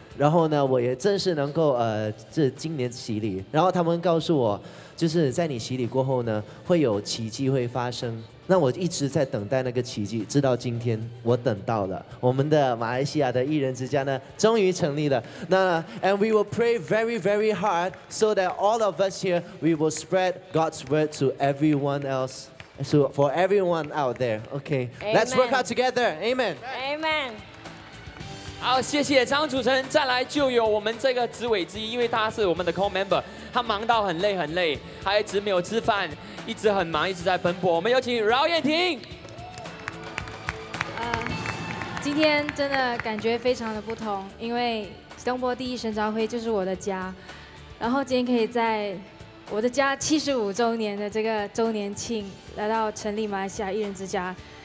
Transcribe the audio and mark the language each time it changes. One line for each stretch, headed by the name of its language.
Chinese: 然后呢，我也正式能够这今年洗礼。然后他们告诉我，就是在你洗礼过后呢，会有奇迹会发生。那我一直在等待那个奇迹，直到今天我等到了。我们的马来西亚的艺人之家呢，终于成立了。
English: 那 and we will pray very very hard so that all of us here we will spread God's word to everyone else, so for everyone out there. Okay, let's work out together. Amen. Amen.
Chinese: 好，谢谢张楚成。再来就有我们这个执委之一，因为他是我们的 call member， 他忙到很累很累，他一直没有吃饭，一直很忙，一直在奔波。我们有请饶燕婷。今天真的感觉非常的不同，因为东坡第一神召会就是我的家，然后今天可以在我的家75周年的这个周年庆来到成立马来西亚艺人之家。